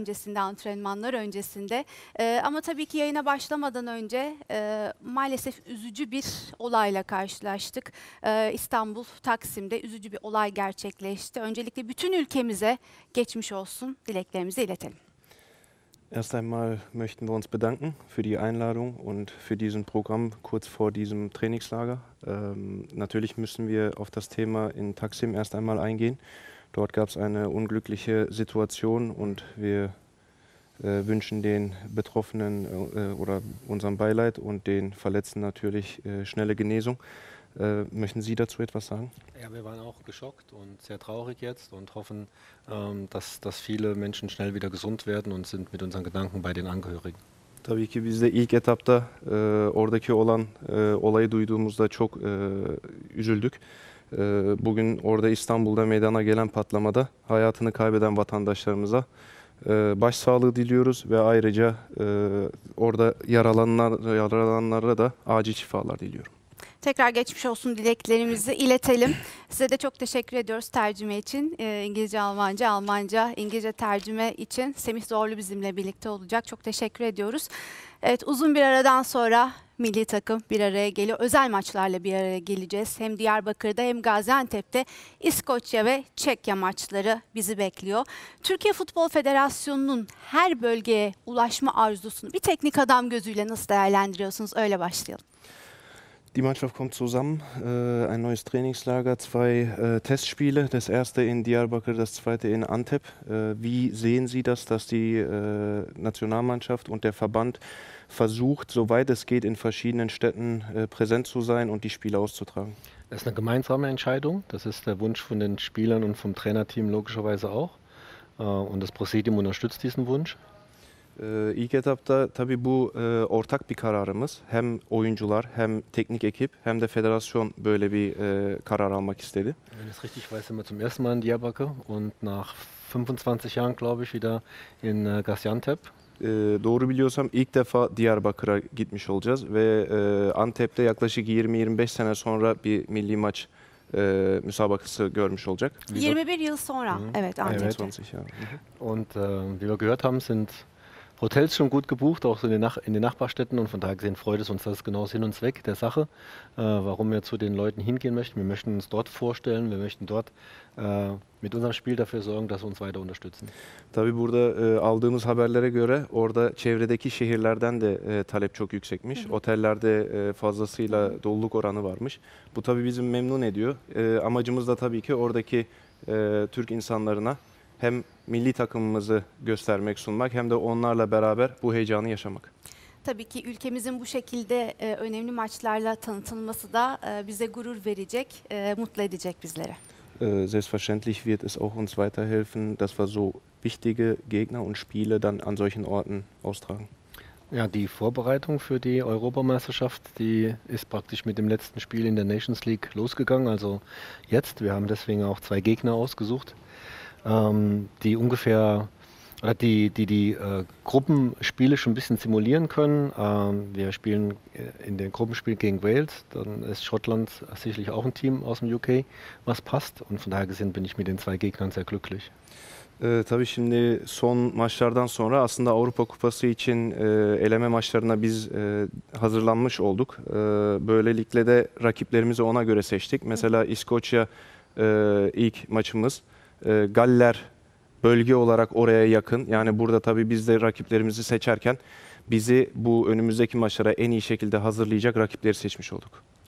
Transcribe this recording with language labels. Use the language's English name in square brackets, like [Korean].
[Turkish] Öncesinde, antrenmanlar öncesinde. Ama tabii ki yayına başlamadan önce maalesef üzücü bir olayla karşılaştık. İstanbul Taksim'de üzücü bir olay gerçekleşti. Öncelikle bütün ülkemize geçmiş olsun dileklerimizi iletelim. [German] Erst einmal möchten wir uns bedanken für die Einladung und für diesen Programm kurz vor diesem Trainingslager. Natürlich müssen wir auf das Thema in Taksim erst einmal eingehen. Dort gab es eine unglückliche Situation und wir wünschen den Betroffenen oder unserem Beileid und den Verletzten natürlich schnelle Genesung. Möchten Sie dazu etwas sagen? Ja, wir waren auch geschockt und sehr traurig jetzt und hoffen, dass viele Menschen schnell wieder gesund werden und sind mit unseren Gedanken bei den Angehörigen. [Turkish] Tabii ki biz de ilk etapta oradaki olan olayı duyduğumuzda çok üzüldük. Bugün orada İstanbul'da meydana gelen patlamada hayatını kaybeden vatandaşlarımıza başsağlığı diliyoruz ve ayrıca orada yaralananlara da acil şifalar diliyorum. Tekrar geçmiş olsun dileklerimizi iletelim. Size de çok teşekkür ediyoruz tercüme için. İngilizce, Almanca, Almanca, İngilizce tercüme için Semih Zorlu bizimle birlikte olacak. Çok teşekkür ediyoruz. Evet, uzun bir aradan sonra milli takım bir araya geliyor. Özel maçlarla bir araya geleceğiz. Hem Diyarbakır'da hem Gaziantep'te İskoçya ve Çekya maçları bizi bekliyor. Türkiye Futbol Federasyonu'nun her bölgeye ulaşma arzusunu bir teknik adam gözüyle nasıl değerlendiriyorsunuz? Öyle başlayalım. [German] Die Mannschaft kommt zusammen, ein neues Trainingslager, zwei Testspiele, das erste in Diyarbakır, das zweite in Antep. Wie sehen Sie das, dass die Nationalmannschaft und der Verband versucht, soweit es geht, in verschiedenen Städten präsent zu sein und die Spiele auszutragen? Das ist eine gemeinsame Entscheidung, das ist der Wunsch von den Spielern und vom Trainerteam logischerweise auch und das Präsidium unterstützt diesen Wunsch. [Turkish] İlk etapta tabii bu ortak bir kararımız. Hem oyuncular, hem teknik ekip, hem de federasyon böyle bir karar almak istedi. [German] Wenn ich richtig weiß, sind wir zum ersten Mal in Diyarbakır und nach 25 Jahren, glaube ich, wieder in Gaziantep. [Turkish] Doğru biliyorsam ilk defa Diyarbakır'a gitmiş olacağız ve Antep'te yaklaşık 20-25 sene sonra bir milli maç müsabakası görmüş olacak. 21 yıl sonra, evet, Antep'te. [German] Und wie wir gehört haben, sind Hotels schon gut gebucht, auch so in den Nachbarstädten und von daher gesehen freut es uns, das ist genau Sinn und Zweck der Sache, warum wir zu den Leuten hingehen möchten. Wir möchten uns dort vorstellen, wir möchten dort mit unserem Spiel dafür sorgen, dass sie uns weiter unterstützen. [Turkish] Tabii burada aldığımız haberlere göre orada çevredeki şehirlerden de talep çok yüksekmiş. Otellerde fazlasıyla doluluk oranı varmış. Bu tabii bizi memnun ediyor. Amacımız da tabii ki oradaki Türk insanlarına hem milli takımımızı göstermek, sunmak hem de onlarla beraber bu heyecanı yaşamak. Tabii ki ülkemizin bu şekilde önemli maçlarla tanıtılması da bize gurur verecek, mutlu edecek bizleri. [German] Selbstverständlich wird es auch uns weiterhelfen, dass wir so wichtige Gegner und Spiele dann an solchen Orten austragen. Ja, die Vorbereitung für die Europameisterschaft, die ist praktisch mit dem letzten Spiel in der Nations League losgegangen, also jetzt. Wir haben deswegen auch zwei Gegner ausgesucht. Die ungefähr die Gruppenspiele schon ein bisschen simulieren können. Wir spielen in den Gruppenspielen gegen Wales, dann ist Schottland sicherlich auch ein Team aus dem UK, was passt und von daher gesehen bin ich mit den zwei Gegnern sehr glücklich. [Turkish] Tabii şimdi son maçlardan sonra aslında Avrupa Kupası için eleme maçlarına biz hazırlanmış olduk. Böylelikle de rakiplerimizi ona göre seçtik. Mesela İskoçya ilk maçımız. Galler bölge olarak oraya yakın. Yani burada tabii biz de rakiplerimizi seçerken bizi bu önümüzdeki maçlara en iyi şekilde hazırlayacak rakipleri seçmiş olduk.